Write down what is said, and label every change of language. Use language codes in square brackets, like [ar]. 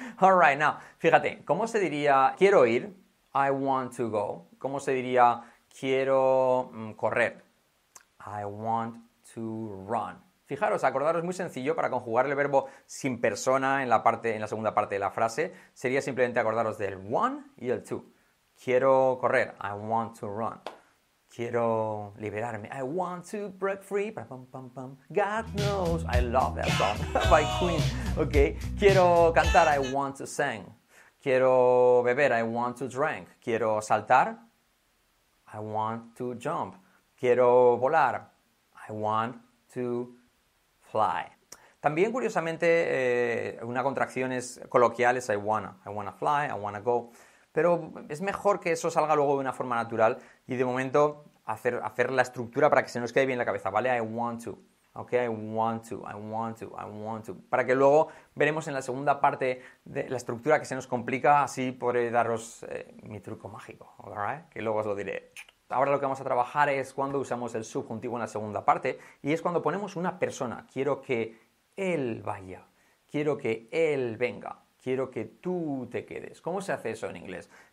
[en] All right, now, [es] fíjate, ¿cómo se diría quiero ir? [en] I want to go. [es] ¿Cómo se diría quiero correr? [en] I want to run. [es] Fijaros, acordaros, muy sencillo, para conjugar el verbo sin persona en la segunda parte de la frase, sería simplemente acordaros del want y el to. Quiero correr, [en] I want to run. [es] Quiero liberarme, [en] I want to break free. God knows, I love that song by Queen. Okay. [es] Quiero cantar, [en] I want to sing. [es] Quiero beber, [en] I want to drink. [es] Quiero saltar, [en] I want to jump. [es] Quiero volar, [en] I want to fly. [es] También, curiosamente, una contracción es coloquial, es [en] I wanna fly, I wanna go. [es] Pero es mejor que eso salga luego de una forma natural y de momento hacer la estructura para que se nos quede bien en la cabeza, ¿vale? [en] I want to, ¿ok? I want to, I want to, I want to. [es] Para que luego veremos en la segunda parte de la estructura que se nos complica, así podré daros mi truco mágico, [en] ¿all right? [es] Que luego os lo diré. Ahora lo que vamos a trabajar es cuando usamos el subjuntivo en la segunda parte y es cuando ponemos una persona. Quiero que él vaya, quiero que él venga, quiero que tú te quedes. ¿Cómo se hace eso en inglés?